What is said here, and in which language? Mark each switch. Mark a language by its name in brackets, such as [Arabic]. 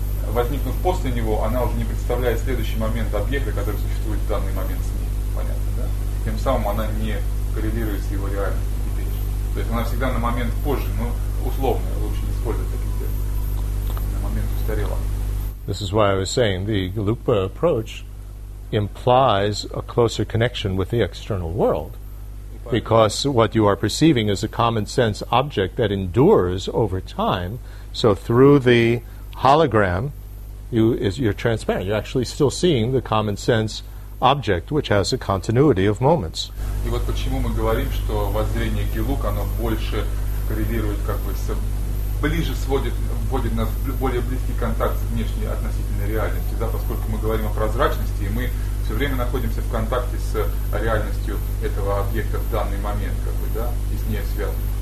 [Russian] возникнув после него, она уже не представляет следующий момент объекта, который существует в данный момент с ней. Понятно, да? Тем самым она не коррелирует с его реальностью теперь. То есть она всегда на момент позже, ну, условно, лучше не использовать такие термины. На момент устарела. [English] This is why I was saying the Galupa approach implies a closer connection with the external world. Because what you are perceiving is a common sense object that endures over time. So through the hologram, you're transparent. You're actually still seeing the common sense object, which has a continuity of moments. [Russian] И вот почему мы говорим, что воззрение гелуг, оно больше коррелирует, как бы, ближе сводит, вводит нас в более близкий контакт с внешней относительной реальностью, да, поскольку мы говорим о прозрачности, и мы все время находимся в контакте с реальностью этого объекта в данный момент, как бы, да, и с ней связаны.